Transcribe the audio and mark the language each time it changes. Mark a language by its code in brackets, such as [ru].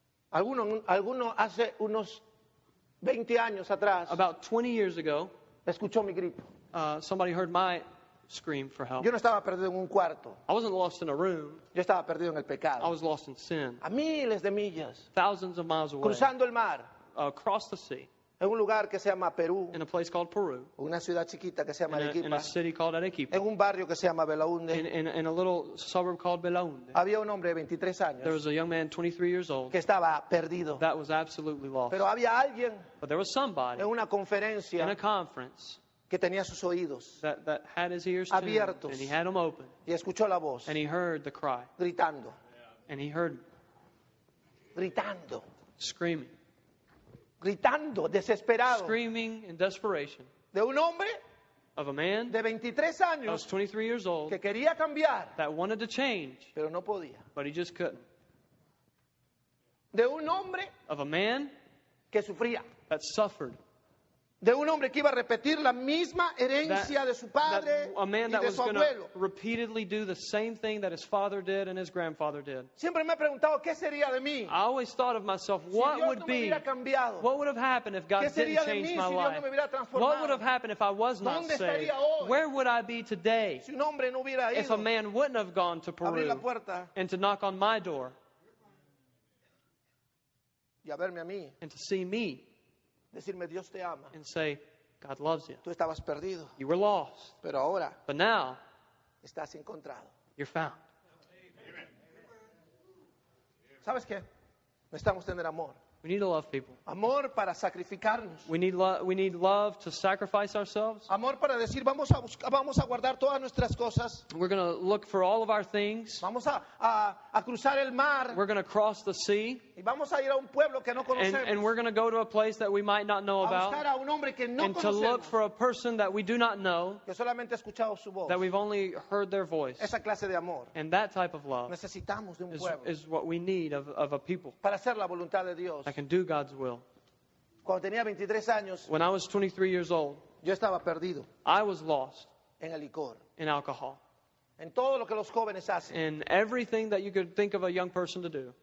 [es] Alguno hace unos 20 años atrás. [en] About 20 years ago, [es] escuchó mi grito. [en] Somebody heard my scream for help. [es] Yo no estaba perdido en un cuarto. [en] I wasn't lost in a room. [es] Yo estaba perdido en el pecado. [en] I was lost in sin. [es] A miles de millas. [en] Thousands of miles away. [es] Cruzando el mar. [en] Across the sea. [es] En un lugar que se llama Perú. [en] In a place called Peru. [es] Una ciudad chiquita que se llama Arequipa. [en] In a city called Arequipa. [es] En un barrio que se llama Belaunde. [en] In a little suburb called Belaunde. [es] Había un hombre de 23 años. [en] There was a young man, 23 years old. [es] Que estaba perdido. [en] That was absolutely lost. [es] Pero había alguien. [en] But there was somebody. [es] En una conferencia. [en] In a conference. [es] Que tenía sus oídos. [en] That had his ears [es] abiertos. [en] Tuned, and he had them open. [es] Y escuchó la voz. [en] And he heard the cry. [es] Gritando. [en] And he heard. [es] Gritando. [en] Screaming. [es] Gritando, desesperado. [en] Screaming in desperation. [es] De un hombre. [en] Of a man. [es] De 23 años. [en] I was 23 years old. [es] Que quería cambiar. [en] That wanted to change. [es] Pero no podía. [en] But he just couldn't. [es] De un hombre. [en] Of a man. [es] Que sufría. [en] That suffered. [es] De un hombre que iba a repetir la misma herencia [en] that, [es] de su padre [en] that, a man [es] y de su abuelo. [en] That was going to repeatedly do the same thing that his father did and his grandfather did. [es] Siempre me he preguntado, ¿qué sería de mí? [en] I always thought of myself, what [es] si [en] would [es] no [en] be, [es] cambiado, [en] what would have happened if God didn't change [es] mí, [en] my [es] si [en] life? [es] No me [en] what would have happened if I was not [es] ¿dónde [en] saved? [es] Estaría hoy? [en] Where would I be today [es] si un hombre no hubiera ido, [en] if a man wouldn't have gone to Peru [es] la puerta, [en] and to knock on my door [es] y a verme a mí. [en] And to see me? [es] Decirme, Dios te ama. [en] And say, God loves you. [es] Tú estabas perdido. [en] You were lost. [es] Pero ahora, [en] but now, [es] estás encontrado. [en] You're found. [es] ¿Sabes qué? Necesitamos tener amor. [en] We need to love people. [es] Amor para sacrificarnos. [en] We need love to sacrifice ourselves. [es] Amor para decir vamos a guardar todas nuestras cosas. [en] We're going to look for all of our things. [es] Vamos a cruzar el mar. [en] We're going to cross the sea. [es] Y vamos a ir a un pueblo que no conocemos. [en] And we're going to go to a place that we might not know about. [es] A buscar a un hombre que no conocemos. [en] And to look for a person that we do not know. [es] Que solamente he escuchado su voz. [en] That we've only heard their voice. [es] Esa clase de amor. [en] And that type of love. [es] Necesitamos de un pueblo. [en] Is what we need of a people. [es] Para hacer la voluntad de Dios. [en] I can do God's will. [es] Cuando tenía 23 años, [en] when I was 23 years old, [es] yo estaba perdido. [en] I was lost [es] en el licor, [en] in alcohol, [es] en todo lo que los jóvenes hacen. [en] In everything that you could think of a young person to do.